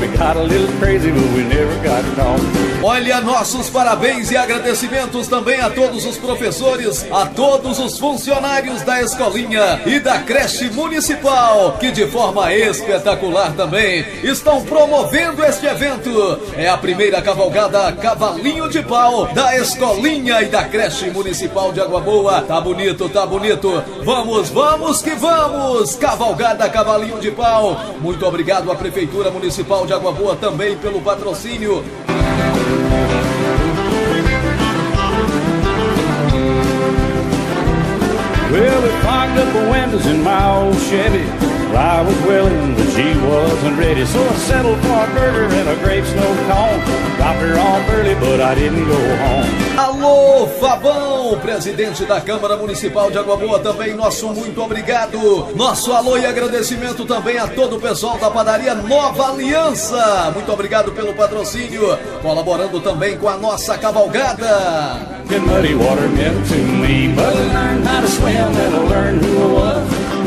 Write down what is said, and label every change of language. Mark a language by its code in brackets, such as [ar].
[en] We got a little crazy, but we never got caught. [pt] Olha, nossos parabéns e agradecimentos também a todos os professores, a todos os funcionários da escolinha e da creche municipal, que de forma espetacular também estão promovendo este evento. É a primeira cavalgada Cavalinho de Pau da escolinha e da creche municipal de Água Boa. Tá bonito, tá bonito. Vamos, vamos que vamos. Cavalgada Cavalinho de Pau. Muito obrigado à Prefeitura Municipal de Água Boa também pelo patrocínio. [en] Well, we parked up the windows in my old Chevy. I was willing, but she wasn't ready. So I settled for a burger and a grape snow cone. Dropped her off early, but I didn't go home. [pt] Alô, Fabão, presidente da Câmara Municipal de Água Boa, também nosso muito obrigado. Nosso alô e agradecimento também a todo o pessoal da padaria Nova Aliança. Muito obrigado pelo patrocínio, colaborando também com a nossa cavalgada. [en] Good muddy water meant to me, but I learned how to swim and I learned who I was.